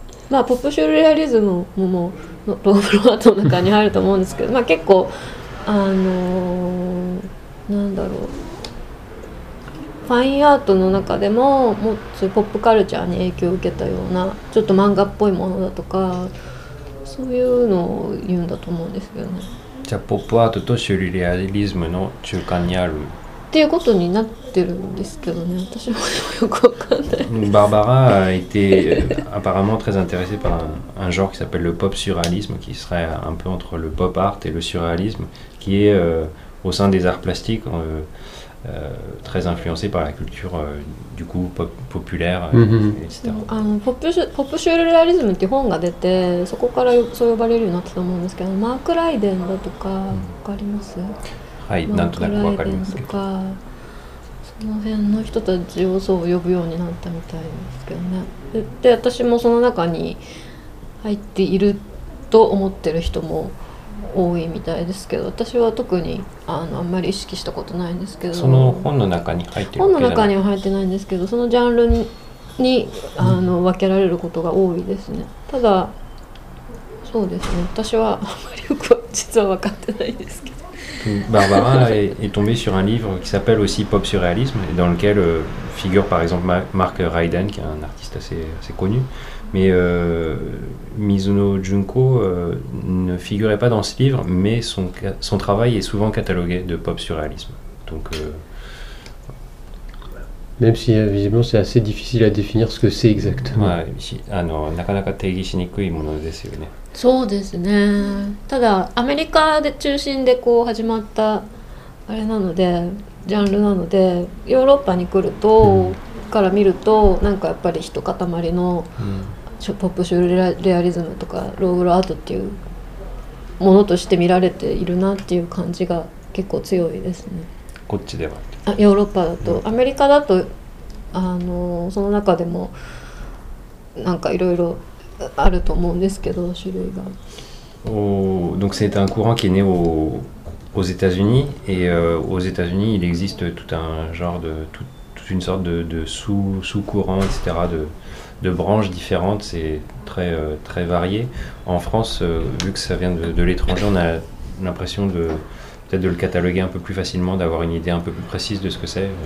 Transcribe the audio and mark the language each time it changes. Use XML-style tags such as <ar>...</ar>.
<ja>まあ、ポップシュルレアリズムも、ロープロアートの中に入ると思うんですけど、まあ、結構、なんだろう、ファインアートの中でも、もうそういうポップカルチャーに影響を受けたような、ちょっと漫画っぽいものだとか、そういうのを言うんだと思うんですけどね。じゃあ、ポップアートとシュルレアリズムの中間にあるっていうことになってるんですけどね。私もよくわかんない。</ja> <fr>Barbara a été apparemment très intéressée par un genre qui s'appelle le pop surréalisme, qui serait un peu entre le pop art et le surréalisme, qui est au sein des arts plastiques très influencé par la culture du coup populaire, etc.</fr> <ja>Pop surréalisme, っていう本が出て、そこからそう呼ばれるようになったと思うんですけど、マーク・ライデンだとかわかります？はい、なんとなくわかりますけど、その辺の人たちをそう呼ぶようになったみたいですけどね。で私もその中に入っていると思ってる人も多いみたいですけど、私は特にあんまり意識したことないんですけど、その本の中に入ってる、本の中には入ってないんですけど、そのジャンルに分けられることが多いですね。ただそうですね、私はあんまりよく実は分かってないですけど、</ja> <fr>Barbara est tombée sur un livre qui s'appelle aussi Pop Surréalisme, dans lequel figure par exemple Mark Ryden, qui est un artiste assez connu. Mais Mizuno Junko ne figurait pas dans ce livre, mais son travail est souvent catalogué de Pop Surréalisme. Donc, même si visiblement c'est assez difficile à définir ce que c'est exactement.</fr> <ja>なかなか定義しにくいものですよね。そうですね。ただアメリカで中心でこう始まったあれなので、ジャンルなので、ヨーロッパに来ると、から見るとなんかやっぱり一塊の、ポップシュルレアリズムとかローブルアートっていうものとして見られているなっていう感じが結構強いですね。こっちでは、ヨーロッパだと、アメリカだとその中でもなんかいろいろあると思うんですけど、種類が。</ja> <fr>Donc c'est un courant qui est né aux États-Unis, et aux États-Unis il existe tout un genre de toute une sorte de sous-courant, etc. de branches différentes, c'est très très varié. En France, vu que ça vient de l'étranger, on a l'impression de peut-être de le cataloguer un peu plus facilement, d'avoir une idée un peu plus précise de ce que c'est.</fr>